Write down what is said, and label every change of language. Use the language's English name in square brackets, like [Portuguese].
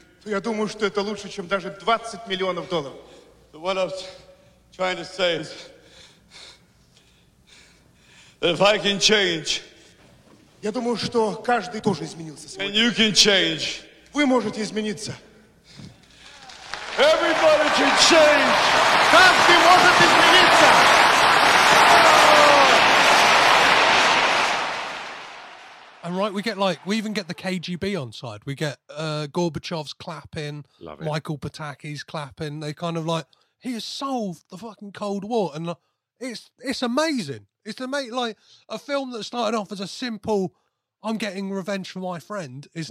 [Russian] Я думаю, что это лучше, чем даже 20 миллионов долларов. [English] But what I was trying to say is, if I can change, [Russian] я думаю, что каждый тоже изменился сегодня. [English] And you can change. [Russian] Вы можете измениться. [English] Everybody can change. [Russian] Каждый может измениться. [English] And right, we even get the KGB on side. We get Gorbachev's clapping. Love it. Michael Pataki's clapping. They kind of like, he has solved the fucking Cold War, and it's amazing. It's like a film that started off as a simple, I'm getting revenge for my friend, is